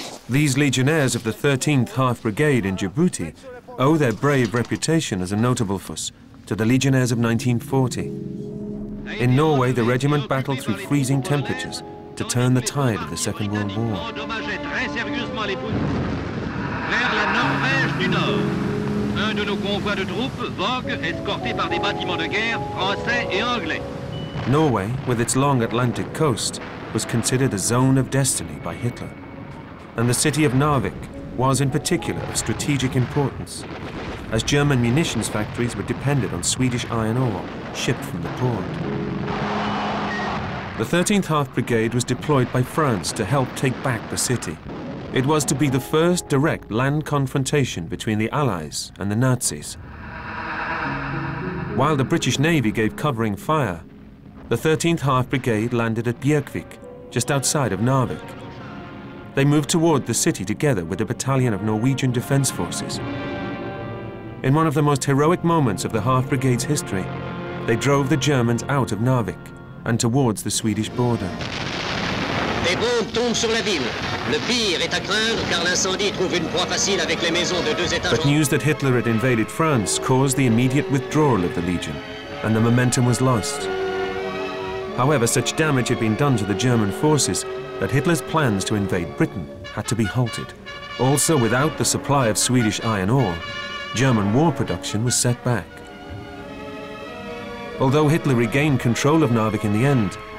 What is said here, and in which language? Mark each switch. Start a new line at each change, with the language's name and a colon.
English: These legionnaires of the 13th Half Brigade in Djibouti owe their brave reputation as a notable force to the legionnaires of 1940. In Norway, the regiment battled through freezing temperatures to turn the tide of the Second World War.
French: Vers la Norvège du Nord, un de nos convois de troupes vogue escorté par des bâtiments de guerre français et anglais.
English: Norway, with its long Atlantic coast, was considered a zone of destiny by Hitler. And the city of Narvik was in particular of strategic importance, as German munitions factories were dependent on Swedish iron ore shipped from the port. The 13th Half Brigade was deployed by France to help take back the city. It was to be the first direct land confrontation between the Allies and the Nazis. While the British Navy gave covering fire, the 13th Half Brigade landed at Björkvik, just outside of Narvik. They moved toward the city together with a battalion of Norwegian Defense Forces. In one of the most heroic moments of the Half Brigade's history, they drove the Germans out of Narvik and towards the Swedish border.
French: Les bombes tombent sur la ville. Le pire est à craindre car l'incendie trouve une proie facile avec les maisons de deux étages.
English: But news that Hitler had invaded France caused the immediate withdrawal of the Legion, and the momentum was lost. However, such damage had been done to the German forces that Hitler's plans to invade Britain had to be halted. Also, without the supply of Swedish iron ore, German war production was set back. Although Hitler regained control of Narvik in the end,